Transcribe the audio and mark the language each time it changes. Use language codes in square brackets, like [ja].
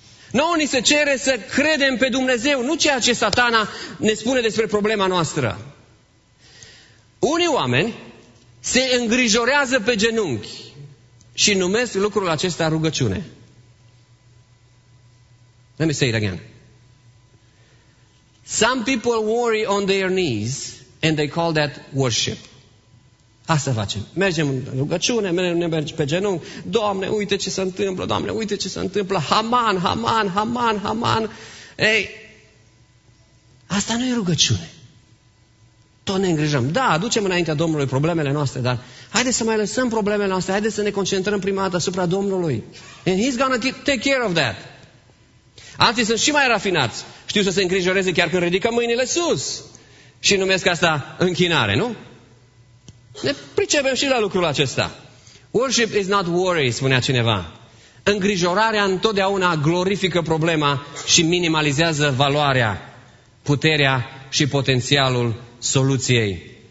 [ro] Nouă ni se cere să credem pe Dumnezeu, nu ceea ce satana ne spune despre problema noastră. Unii oameni se îngrijorează pe genunchi și numesc lucrul acesta rugăciune. [en] Let me say it again. Some people worry on their knees and they call that worship. [ro] Asta facem. Mergem în rugăciune, mergem pe genunchi. Doamne, uite ce se întâmplă, Doamne, uite ce se întâmplă. Haman, Haman, Haman, Haman. Ei, asta nu e rugăciune. Tot ne îngrijăm. Da, aducem înaintea Domnului problemele noastre, dar haideți să mai lăsăm problemele noastre, haideți să ne concentrăm prima dată asupra Domnului. [en] And he's gonna take care of that. [ro] Alții sunt și mai rafinați. Știu să se îngrijoreze chiar când ridică mâinile sus. Și numesc asta închinare, nu? Ne pricepem și la lucrul acesta. [en] Worship is not worry, [ro] spunea cineva. Îngrijorarea întotdeauna glorifică problema și minimalizează valoarea, puterea și potențialul soluției.